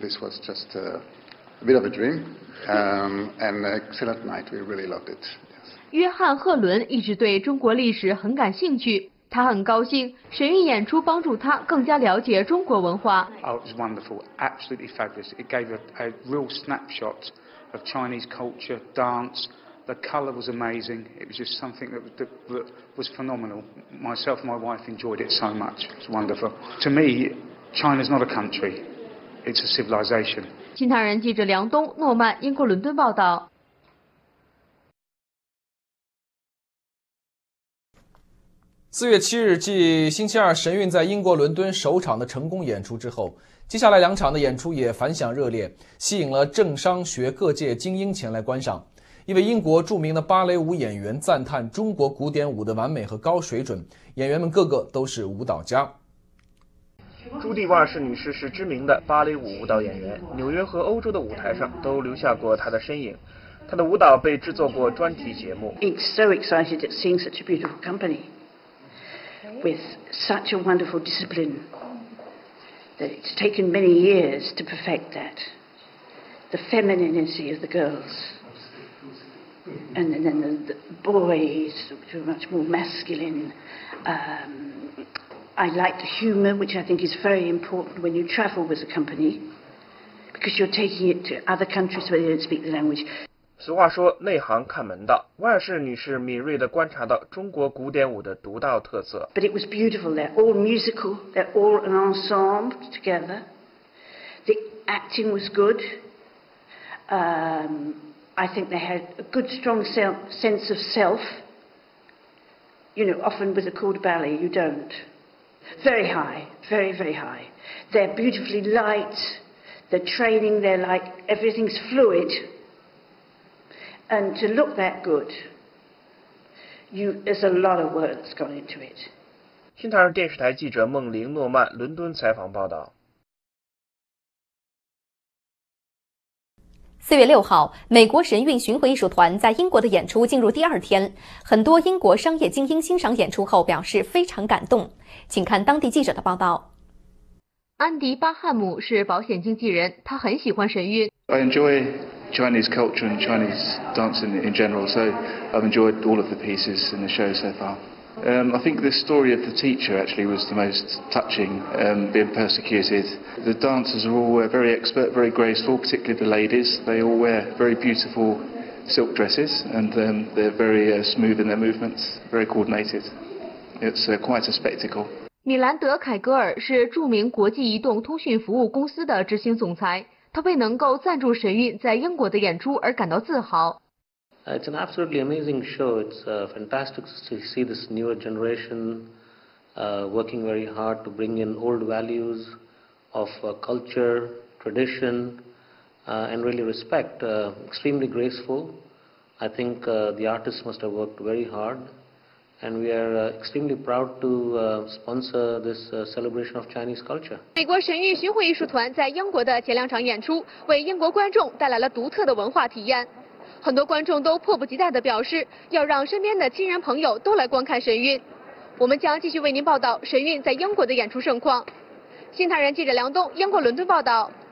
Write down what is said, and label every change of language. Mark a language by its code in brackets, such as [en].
[en] This was just a bit of a dream, and an excellent night. We really loved it. Yes. [zh] 约翰·赫伦一直对中国历史很感兴趣，他很高兴神韵演出帮助他更加了解中国文化。 [en] Oh, it was wonderful, absolutely fabulous. It gave a real snapshot of Chinese culture, dance. The color was amazing. It was just something that was phenomenal. Myself and my wife enjoyed it so much. It's wonderful. To me, China's not a country. It's a civilization. [zh] 新唐人记者梁东，诺曼，英国伦敦报道。 4月7日，继星期二神韵在英国伦敦首场的成功演出之后，接下来两场的演出也反响热烈，吸引了政商学各界精英前来观赏。一位英国著名的芭蕾舞演员赞叹中国古典舞的完美和高水准，演员们个个都是舞蹈家。朱蒂·瓦尔士女士是知名的芭蕾舞舞蹈演员，纽约和欧洲的舞台上都留下过她的身影。她的舞蹈被制作过专题节目。 [en] It's so excited at seeing such a beautiful company with such a wonderful discipline that it's taken many years to perfect that. The femininity of the girls and then the boys, which are much more masculine. I like the humor, which I think is very important when you travel with a company because you're taking it to other countries where they don't speak the language. [zh] 俗话说内行看门道，万氏女士敏锐地观察到中国古典舞的独到特色。 [en] But it was beautiful. They're all musical. They're all an ensemble together. The acting was good. I think they had a good, strong sense of self. You know, often with a court ballet, you don't. Very high, very, very high. They're beautifully light. The training, they're like everything's fluid. And to look that good, there's a lot of work that's gone into it. [zh] 新唐人电视台记者孟玲诺曼伦敦采访报道。四月六号，美国神韵巡回艺术团在英国的演出进入第二天，很多英国商业精英欣赏演出后表示非常感动，请看当地记者的报道。安迪·巴汉姆是保险经纪人，他很喜欢神韵。 [en] I enjoy Chinese culture and Chinese dancing in general, so I've enjoyed all of the pieces in the show so far. I think the story of the teacher actually was the most touching, being persecuted. The dancers are all very expert, very graceful, particularly the ladies. They all wear very beautiful silk dresses and they're very smooth in their movements, very coordinated. It's quite a spectacle. [zh] 米兰德·凯格尔是著名国际移动通讯服务公司的执行总裁，他为能够赞助神韵在英国的演出而感到自豪。 [en] It's an absolutely amazing show. It's fantastic to see this newer generation working very hard to bring in old values of culture, tradition, and really respect. Extremely graceful. I think the artists must have worked very hard. And we are extremely proud to sponsor this celebration of Chinese culture. [zh] 美国神韵巡回艺术团在英国的前两场演出，为英国观众带来了独特的文化体验。很多观众都迫不及待地表示，要让身边的亲人朋友都来观看神韵。我们将继续为您报道神韵在英国的演出盛况。新唐人记者梁东，英国伦敦报道。